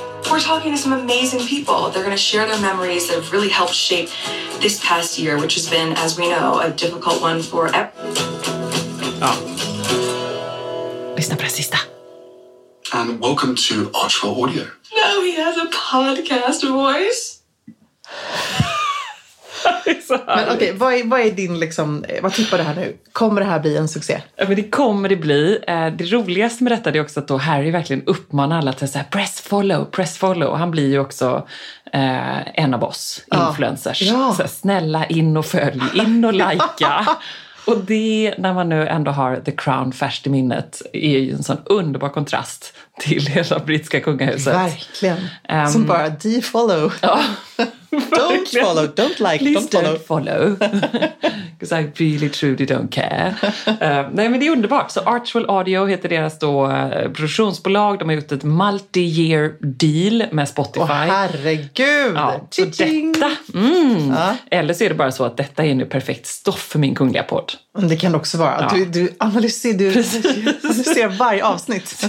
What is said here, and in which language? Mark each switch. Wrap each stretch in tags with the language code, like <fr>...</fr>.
<en>We're talking to some amazing people. They're going to share their memories that have really helped shape this past year, which has been, as we know, a difficult one for</en> <sv>Lyssna på det sista.</sv> <en>And welcome to Archival Audio. Now he has a podcast voice.</en> <sv>Men okej, okay, vad är din liksom, vad tippar det här nu? Kommer det här bli en succé? Ja, men det kommer det bli. Det roligaste med detta är också att då Harry verkligen uppmanar alla till så här,</sv> <en>press follow.</en> <sv>Han blir ju också en av oss, influencers. Ja. Så här, snälla in och följ, in och likea. Och det, när man nu ändå har The Crown färskt i minnet, är ju en sån underbar kontrast till hela brittiska kungahuset. Verkligen. Som bara, defollow. Ja.</sv> <en>Don't follow, don't like, please don't follow. Because I really truly don't care.</en> <sv>Nej, men det är underbart. Så Archival Audio heter deras då produktionsbolag. De har gjort ett multi-year deal med Spotify. Åh, herregud! Ja, detta, Eller så är det bara så att detta är nu perfekt stoff för min kungliga podd. Men det kan också vara. Ja. Du analyserar, du ser varje avsnitt.</sv>